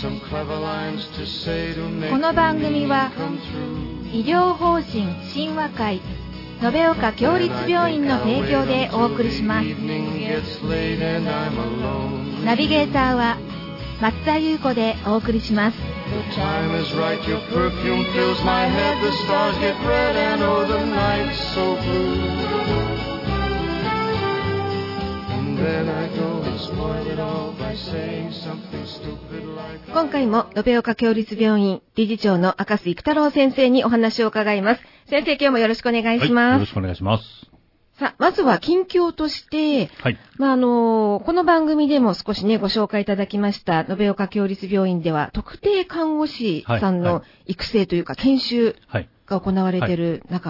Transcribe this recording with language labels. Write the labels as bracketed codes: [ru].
[ja] この番組は医療法人親和会延岡共立病院の提供でお送りします。ナビゲーターは松田優子でお送りします。 [en] The time is right, your perfume fills my head, the stars get red and oh the night's so blue. And then I go and spoil it all by saying something stupid like... [ja] 今回も延岡共立病院理事長の赤瀬育太郎先生にお話を伺います。先生、今日もよろしくお願いします。はい、よろしくお願いします。さあ、まずは近況として、はい、まあ、この番組でも少しね、ご紹介いただきました、延岡共立病院では、特定看護師さんの育成というか、研修が行われている中、